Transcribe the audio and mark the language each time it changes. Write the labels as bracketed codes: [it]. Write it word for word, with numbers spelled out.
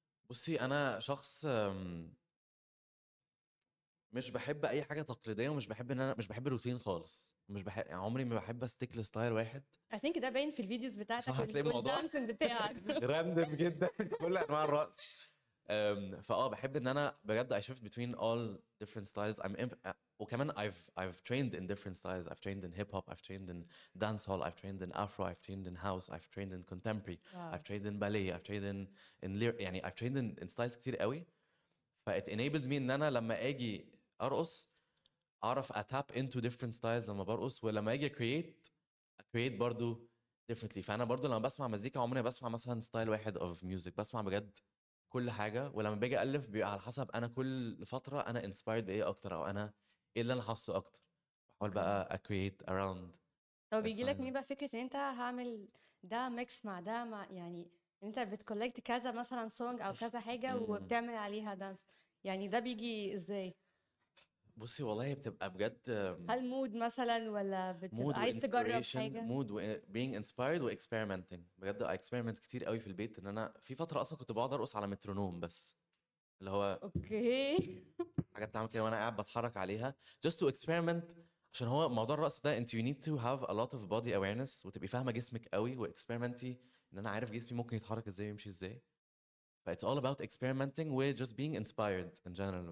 [ar] بصي انا شخص أم، مش بحب اي حاجه تقليديه، ومش بحب ان انا مش بحب الروتين خالص، مش بحب يعني عمري ما بحب استيك لستايل واحد. [en] I think [ar] ده باين في الفيديوز صح بتاعتك وال- هتلاقي الموضوع والدانسين بتاعك. راندم جدا كل انواع الرقص. أم، فاه بحب ان انا بجد [en] I shift between all different styles. I'm inf- [ar] وكمان [en] I've I've trained in different styles. I've trained in hip hop. I've trained in dance hall. I've trained in afro. I've trained in house. I've trained in contemporary. [ar] واو [en] I've trained in ballet. I've trained in in lyric. [ar] يعني [en] I've trained in, in styles [ar] كتير قوي. ف [en] it enables me [ar] ان انا لما اجي ارقص اعرف اتاب [en] into different styles [ar] لما برقص، ولما اجي [en] create create [ar] برضو [en] differently. [ar] فانا برضو لما بسمع مزيكا عمري ما بسمع مثلا ستايل واحد [en] of music، [ar] بسمع بجد كل حاجه. ولما باجي الف بيبقى على حسب انا كل فتره انا inspired بايه اكتر، او انا ايه اللي انا حاسه اكتر، بحاول اوكي بقى [en] create around. [ar] لو [en] That's [ar] بيجي لك [en] nice. [ar] منين بقى فكرة ان انت هعمل ده ميكس مع ده مع يعني ان انت بتكولكت كذا مثلا سونج او كذا حاجة مم. وبتعمل عليها دانس، يعني ده بيجي ازاي؟ بصي والله بتبقى بجد أم، هل مود مثلا ولا مود بتبقى عايز تجرب وانسبيريشن، حاجة؟ مود و [en] being inspired [ar] و [en] experimenting. [ar] بجد [en] I experiment [ar] كتير قوي في البيت، ان انا في فتره اصلا كنت بقعد ارقص على مترونوم، بس اللي هو اوكي حاجه بتعمل كده وانا قاعد بتحرك عليها [en] just to experiment، [ar] عشان هو موضوع الرقص ده انت [en] you need to have a lot of body awareness، [ar] وتبقي فاهمه جسمك قوي واكسبيرمنتي، ان انا عارف جسمي ممكن يتحرك ازاي ويمشي ازاي. [en] ف it's all about experimenting [ar] و [en] just being inspired in general.